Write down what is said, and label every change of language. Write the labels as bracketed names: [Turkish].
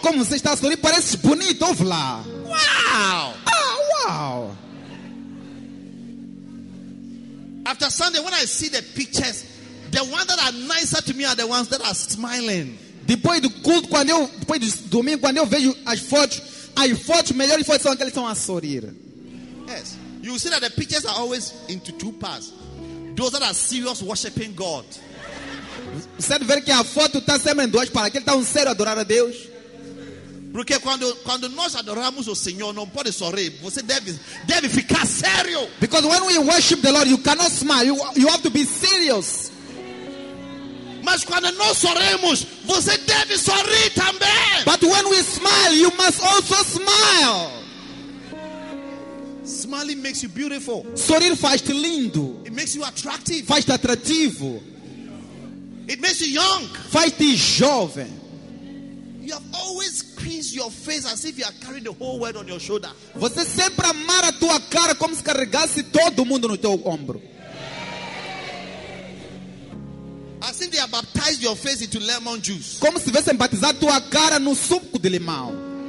[Portuguese] Como você está sorrindo, parece bonito, ouve lá. [English] Wow. Ah, wow. After Sunday, when I see the pictures, the ones that are nicer to me are the ones that are smiling. [Portuguese] Depois do culto, depois do domingo, quando eu vejo as fotos, melhores fotos são aquelas que estão a sorrir. [English] Yes. You see that the pictures are always into two parts. Those that are serious worshiping God. [Portuguese] Você deve ver que a foto está sempre em duas partes. Aquele está um sério adorar a Deus. Porque quando nós adoramos o Senhor, não pode sorrir. Você deve ficar sério. [English] Because when we worship the Lord, you cannot smile. You have to be serious. [Portuguese] Mas quando nós sorrimos, você deve sorrir também. [English] But when we smile, you must also smile. Smiling makes you beautiful. [Portuguese] Sorrir faz-te lindo. [English] It makes you attractive. [Portuguese] Faz-te atrativo. [English] It makes you young. [Portuguese] Faz-te jovem. [English] You have always creased your face as if you are carrying the whole world on your shoulder. [Portuguese] Você sempre amarra a tua cara como se carregasse todo mundo no teu ombro. [English] As they have baptized your face into lemon juice. [Portuguese] Como se tivessem batizado tua cara no suco de limão.